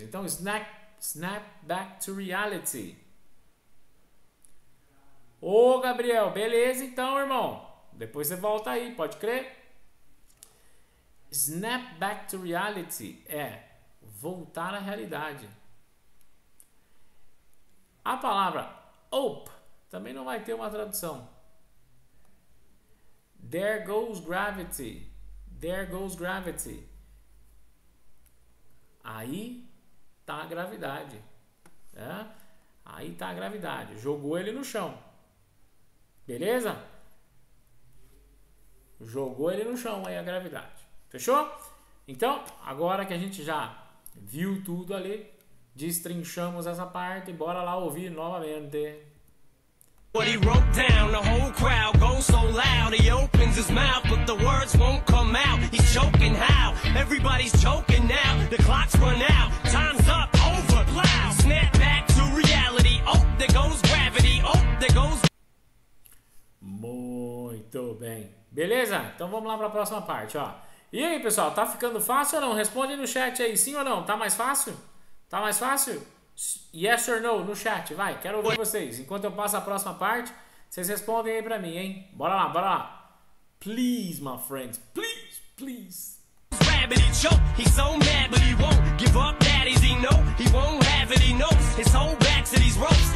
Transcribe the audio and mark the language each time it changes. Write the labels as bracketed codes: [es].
[en] Então, snap back to reality. [pt] Ô, Gabriel, beleza então, irmão. Depois você volta aí, pode crer. [en] Snap back to reality [pt] é voltar à realidade. A palavra hope também não vai ter uma tradução. [en] There goes gravity. There goes gravity. [pt] Aí tá a gravidade. Né? Aí tá a gravidade. Jogou ele no chão. Beleza? Jogou ele no chão aí a gravidade. Fechou? Então, agora que a gente já Viu tudo ali, destrinchamos essa parte, bora lá ouvir novamente. [en] What he wrote down, the whole crowd goes so loud. He opens his mouth, but the words won't come out. He's choking how? Everybody's choking now. The clock's run out. Time's up. Over. Plow. Snap back to reality. Oh, there goes gravity. Oh, there goes. [pt] Muito bem. Beleza? Então vamos lá para a próxima parte, ó. E aí, pessoal, tá ficando fácil ou não? Responde no chat aí, sim ou não? Tá mais fácil? Tá mais fácil? [en] Yes or no [pt] no chat, vai. Quero ouvir vocês. Enquanto eu passo a próxima parte, vocês respondem aí para mim, hein? Bora lá, bora lá. [en] Please, my friends. Please, please. Rabbit, he choke, he's so mad, but he won't give up that easy. No, he won't have it, he knows his whole back to these ropes.